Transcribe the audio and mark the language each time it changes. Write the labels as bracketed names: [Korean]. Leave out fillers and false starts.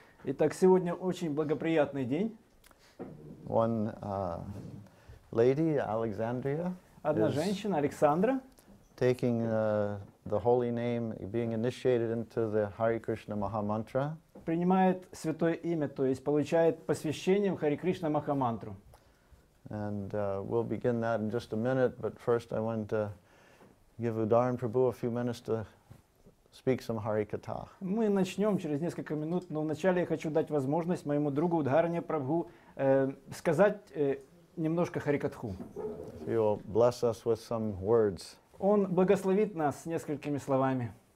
[Russian] Итак, сегодня очень благоприятный день. [English] One lady, Alexandria. [Russian] Одна женщина, Александра. [English] Taking the holy name, being initiated into the Hare Krishna Maha Mantra. [Russian] Принимает святое имя, то есть получает посвящение в Hare Krishna Maha Mantra. [English] And we'll begin that in just a minute, but first I want to give Udaran Prabhu a few minutes to speak some Hare Katha. [Russian] Мы начнем через несколько минут, но вначале я хочу дать возможность моему другу Удхаране Прабху сказать немножко Hare Katha. [English] He'll bless us with some words. [Russian] Он благословит нас несколькими словами.